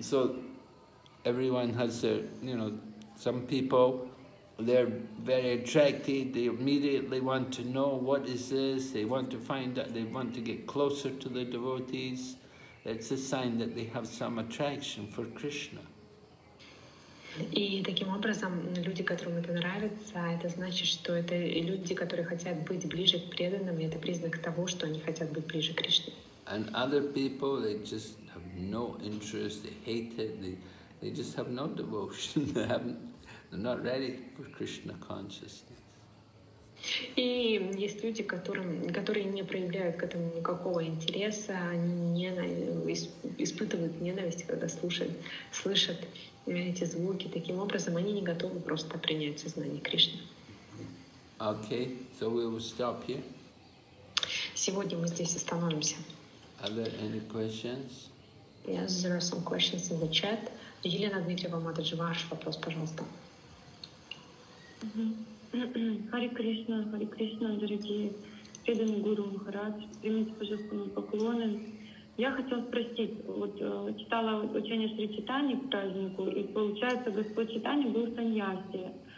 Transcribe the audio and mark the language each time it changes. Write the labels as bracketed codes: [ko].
[en] So everyone has their, you know, some people, they're very attracted, they immediately want to know what is this, they want to find out, they want to get closer to the devotees. It's a sign that they have some attraction for Krishna. [ru] И таким образом, люди, которым это нравится, это значит, что это люди, которые хотят быть ближе к преданным, и это признак того, что они хотят быть ближе к Кришне. [en] And other people, they just have no interest, they hate it, they just have no devotion, they're not ready for Krishna consciousness. [ru] И есть люди, которые не проявляют к этому никакого интереса, они испытывают ненависть, когда слышат эти звуки, таким образом они не готовы просто принять сознание Кришны. [en] Okay, so we will stop here. [ru] Сегодня мы здесь остановимся. [en] Are there any questions? Yes, there are some questions in the chat. [ru] Елена Дмитриева, Матаджи, ваш вопрос, пожалуйста. Хари Кришна, Хари Кришна, дорогие преданные гуру Махарадж, примите, пожалуйста, мои поклоны. Я хотела спросить, вот читала учение Шри Читани к празднику, и получается, Господь Читани был в саньясе.